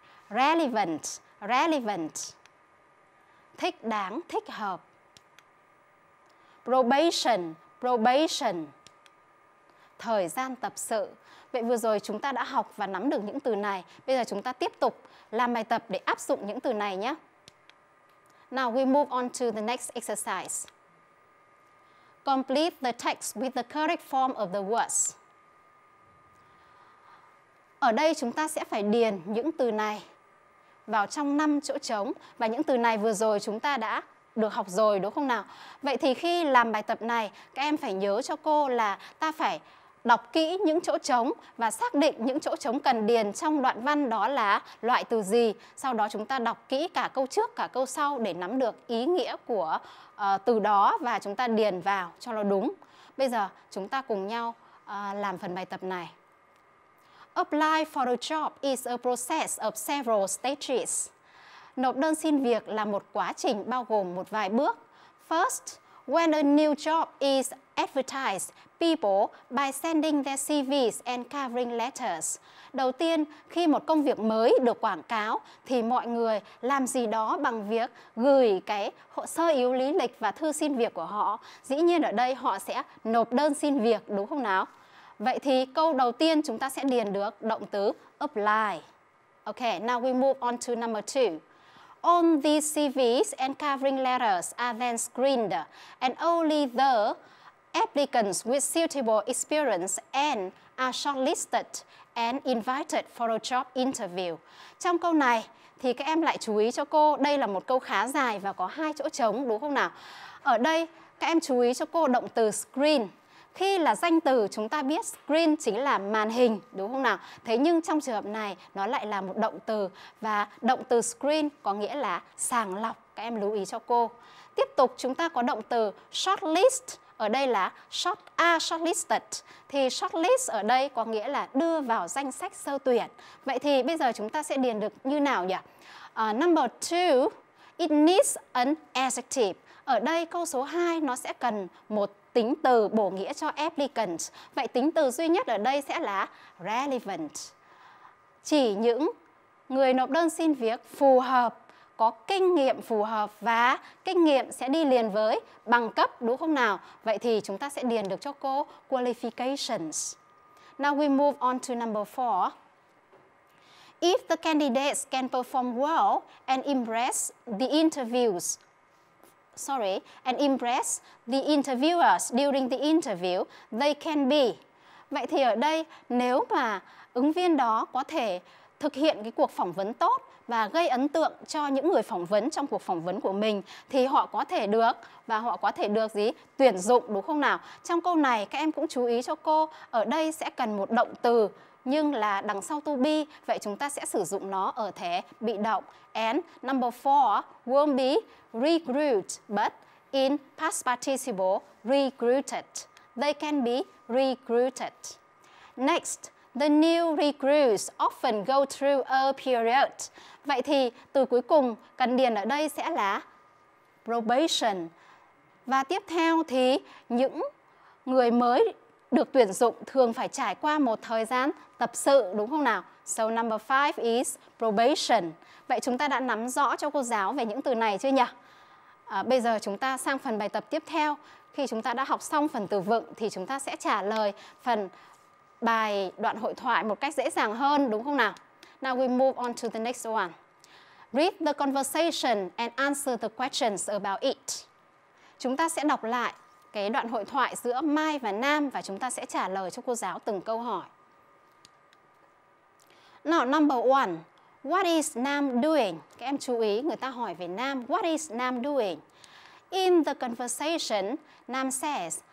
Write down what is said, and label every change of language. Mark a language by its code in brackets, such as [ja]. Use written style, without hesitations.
[vi] Relevant, relevant, thích đáng, thích hợp. Probation, probation, thời gian tập sự. Vậy vừa rồi chúng ta đã học và nắm được những từ này. Bây giờ chúng ta tiếp tục làm bài tập để áp dụng những từ này nhé. [en] Now we move on to the next exercise. Complete the text with the correct form of the words. [vi] Ở đây chúng ta sẽ phải điền những từ này vào trong 5 chỗ trống. Và những từ này vừa rồi chúng ta đã được học rồi đúng không nào? Vậy thì khi làm bài tập này, các em phải nhớ cho cô là ta phải đọc kỹ những chỗ trống và xác định những chỗ trống cần điền trong đoạn văn đó là loại từ gì. Sau đó chúng ta đọc kỹ cả câu trước, cả câu sau để nắm được ý nghĩa của từ đó và chúng ta điền vào cho nó đúng. Bây giờ chúng ta cùng nhau làm phần bài tập này. [en] Apply for a job is a process of several stages. [vi] Nộp đơn xin việc là một quá trình bao gồm một vài bước. [en] First, when a new job is advertised, people by sending their CVs and covering letters. [vi] Đầu tiên, khi một công việc mới được quảng cáo, thì mọi người làm gì đó bằng việc gửi cái sơ yếu lý lịch và thư xin việc của họ. Dĩ nhiên ở đây họ sẽ nộp đơn xin việc, đúng không nào? Vậy thì câu đầu tiên chúng ta sẽ điền được động từ apply. [en] Okay, now we move on to number two. All these CVs and covering letters are then screened, and only the applicants with suitable experience and are shortlisted and invited for a job interview. [vi] Trong câu này thì các em lại chú ý cho cô, đây là một câu khá dài và có hai chỗ trống đúng không nào? Ở đây các em chú ý cho cô động từ screen. Khi là danh từ chúng ta biết screen chính là màn hình đúng không nào? Thế nhưng trong trường hợp này nó lại là một động từ và động từ screen có nghĩa là sàng lọc, các em lưu ý cho cô. Tiếp tục chúng ta có động từ shortlist. Ở đây là shortlisted. Thì shortlist ở đây có nghĩa là đưa vào danh sách sơ tuyển. Vậy thì bây giờ chúng ta sẽ điền được như nào nhỉ? [en] Number 2, it needs an adjective. [vi] Ở đây câu số 2 nó sẽ cần một tính từ bổ nghĩa cho applicant. Vậy tính từ duy nhất ở đây sẽ là relevant. Chỉ những người nộp đơn xin việc phù hợp, có kinh nghiệm phù hợp và kinh nghiệm sẽ đi liền với bằng cấp đúng không nào? Vậy thì chúng ta sẽ điền được cho cô qualifications. [en] Now we move on to number 4. If the candidates can perform well and impress the interviews, and impress the interviewers during the interview, they can be. [vi] Vậy thì ở đây nếu mà ứng viên đó có thể thực hiện cái cuộc phỏng vấn tốt và gây ấn tượng cho những người phỏng vấn trong cuộc phỏng vấn của mình thì họ có thể được và họ có thể được gì? Tuyển dụng đúng không nào? Trong câu này các em cũng chú ý cho cô, ở đây sẽ cần một động từ nhưng là đằng sau to be, vậy chúng ta sẽ sử dụng nó ở thể bị động. [en] And number 4, won't be recruited but in past participle recruited. They can be recruited. Next, the new recruits often go through a period. [vi] Vậy thì từ cuối cùng cần điền ở đây sẽ là probation. Và tiếp theo thì những người mới được tuyển dụng thường phải trải qua một thời gian tập sự đúng không nào? [en] So number 5 is probation. [vi] Vậy chúng ta đã nắm rõ cho cô giáo về những từ này chưa nhỉ? Bây giờ chúng ta sang phần bài tập tiếp theo. Khi chúng ta đã học xong phần từ vựng thì chúng ta sẽ trả lời phần bài đoạn hội thoại một cách dễ dàng hơn đúng không nào? [en] Now we move on to the next one. Read the conversation and answer the questions about it. [vi] Chúng ta sẽ đọc lại cái đoạn hội thoại giữa Mai và Nam và chúng ta sẽ trả lời cho cô giáo từng câu hỏi. [en] Now number 1. What is Nam doing? [vi] Các em chú ý người ta hỏi về Nam. [en] What is Nam doing? In the conversation, Nam says,